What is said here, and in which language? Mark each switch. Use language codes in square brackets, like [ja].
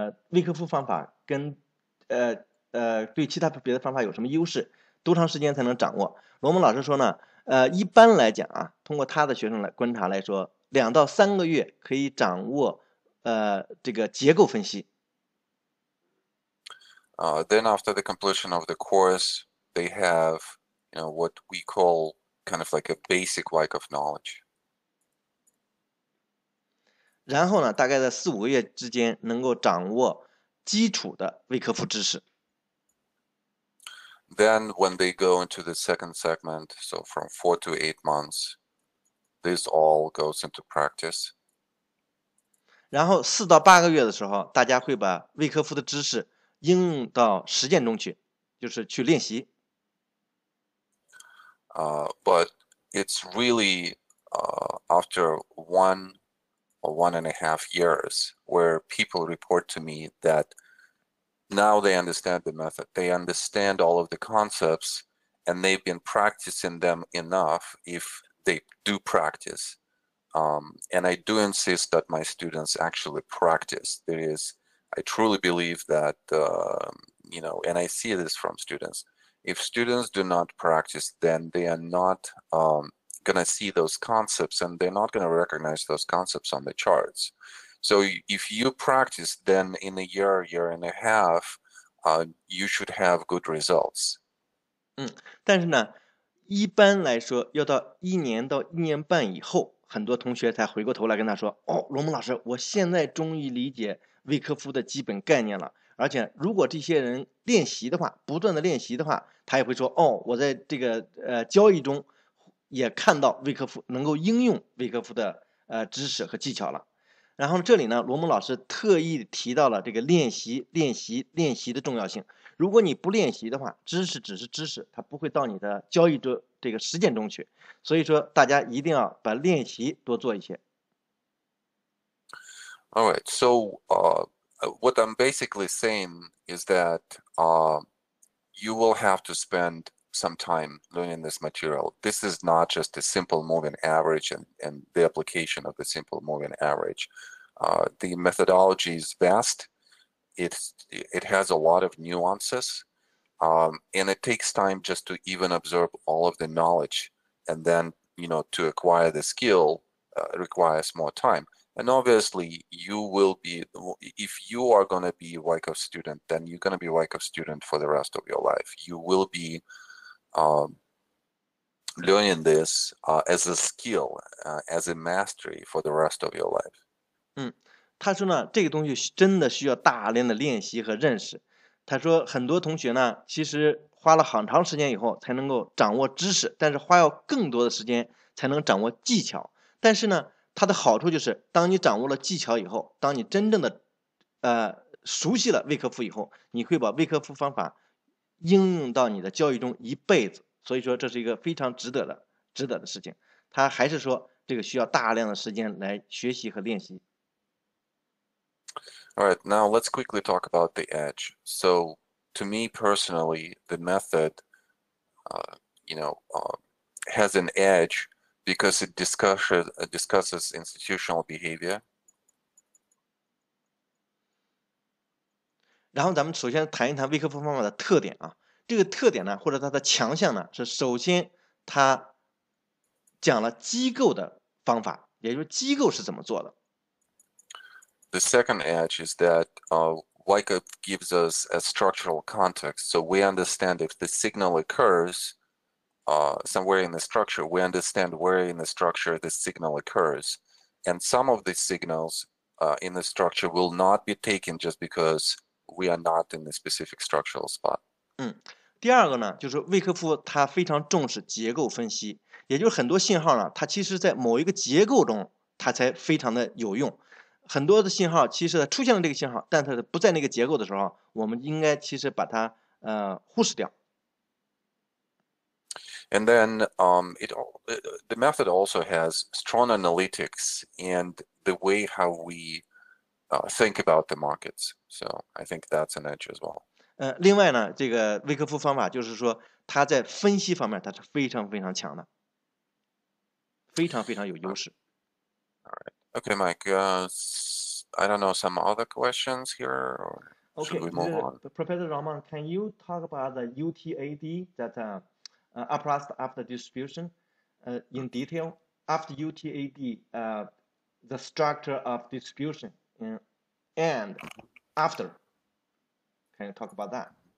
[zh] 威科夫方法跟对其他别的方法有什么优势，多长时间才能掌握？罗蒙老师说呢，一般来讲啊，通过他的学生来观察来说，2到3个月可以掌握这个结构分析。 [en] Then after the completion of the course, they have, you know, what we call kind of like a basic like of knowledge. [zh] 然后呢，大概在4-5个月之间能够掌握基础的威科夫知识。 [en] Then when they go into the second segment, so from 4 to 8 months, this all goes into practice. [zh] 然后4到8个月的时候，大家会把威科夫的知识应用到实践中去，就是去练习。 [en] But it's really after 1 or 1.5 years where people report to me that now they understand the method, they understand all of the concepts, and they've been practicing them enough if they do practice. And I do insist that my students actually practice. There is, I truly believe that, you know, and I see this from students. If students do not practice, then they are not going to see those concepts, and they're not going to recognize those concepts on the charts. So if you practice, then in a year, year and a half, you should have good results. [zh] 但是呢，一般来说，要到1年到1年半以后，很多同学才回过头来跟他说，哦，罗蒙老师，我现在终于理解威科夫的基本概念了。而且如果这些人练习的话，不断的练习的话，他也会说，哦，我在这个交易中也看到威科夫能够应用威科夫的知识和技巧了。然后这里呢，罗蒙老师特意提到了这个练习、练习、练习的重要性。如果你不练习的话，知识只是知识，它不会到你的交易中这个实践中去。所以说，大家一定要把练习多做一些。 [en] All right. So, what I'm basically saying is that, you will have to spend some time learning this material. This is not just a simple moving average and the application of the simple moving average. The methodology is vast. It has a lot of nuances. And it takes time just to even absorb all of the knowledge. And then, you know, to acquire the skill requires more time. And obviously, you will be, if you are going to be a Wyckoff student, then you're going to be a Wyckoff student for the rest of your life. You will be learning this as a skill, as a mastery for the rest of your life. [zh] 他说呢，这个东西真的需要大量的练习和认识。他说很多同学呢，其实花了很长时间以后才能够掌握知识，但是花要更多的时间才能掌握技巧。但是呢，它的好处就是，当你掌握了技巧以后，当你真正的熟悉了威科夫以后，你会把威科夫方法应用到你的交易中一辈子，所以说这是一个非常值得的事情。他还是说这个需要大量的时间来学习和练习。 [en] All right, now let's quickly talk about the edge. So, to me personally, the method, has an edge because it discusses institutional behavior. [zh] 然后咱们首先谈一谈威科夫方法的特点啊。这个特点呢，或者它的强项呢，是首先它讲了机构的方法，也就是机构是怎么做的。 [en] The second edge is that Wyckoff gives us a structural context, so we understand if the signal occurs somewhere in the structure, we understand where in the structure the signal occurs, and some of the signals in the structure will not be taken just because we are not in the specific structural spot. [zh] 第二个呢，就是威科夫他非常重视结构分析，也就是很多信号呢，它其实在某一个结构中它才非常的有用。很多的信号其实出现了这个信号，但它不在那个结构的时候，我们应该其实把它忽视掉。 [en] And then the method also has strong analytics and the way how we think about the markets. So I think that's an edge as well. [zh] 另外呢，这个威科夫方法就是说它在分析方面它是非常非常强的，非常非常有优势。 [en] All right. Okay, Mike, I don't know, some other questions here, or should we move on? Professor Rahman, can you talk about the UTAD, that applied after distribution, in detail? After UTAD, the structure of distribution, and after, can you talk about that?